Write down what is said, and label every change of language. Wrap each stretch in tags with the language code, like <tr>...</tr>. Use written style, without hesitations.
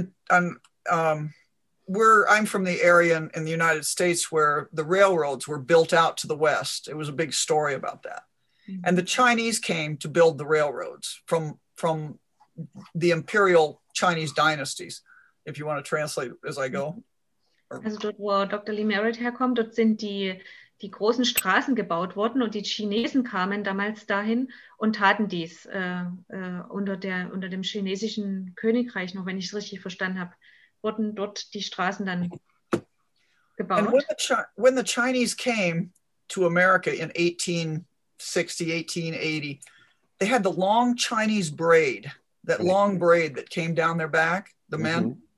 <en>I'm from the area in the United States where the railroads were built out to the west. It was a big story about that. And the Chinese came to build the railroads from the imperial Chinese dynasties, if you want to translate as I go.</en> <de>Also dort, wo Dr. Lee Merritt herkommt, dort sind die großen Straßen gebaut worden und die Chinesen kamen damals dahin und taten dies unter dem chinesischen Königreich, noch wenn ich es richtig verstanden habe, wurden dort die Straßen dann</de> <en>And</en> <de>gebaut.</de> <en>when the Chinese came to America in 1860, 1880, they had the long Chinese braid, that long braid that came down their back, the men.</en>